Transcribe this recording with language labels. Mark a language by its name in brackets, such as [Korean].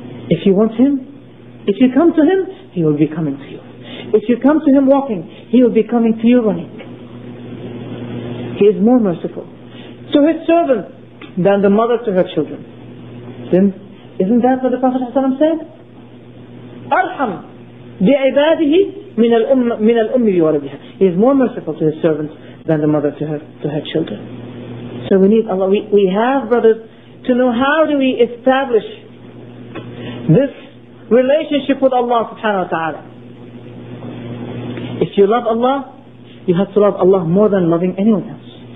[English] If you want Him, if you come to Him, He will be coming to you. If you come to Him walking, He will be coming to you running. He is more merciful to His servant than the mother to her children. Then, isn't that what the Prophet ﷺ said? [Arabic] أرحم بعباده من الأم بوالدها. [English] He is more merciful to his servants than the mother to her children. So we need Allah. We have brothers to know, how do we establish this relationship with Allah subhanahu wa ta'ala. If you love Allah, you have to love Allah more than loving anyone else.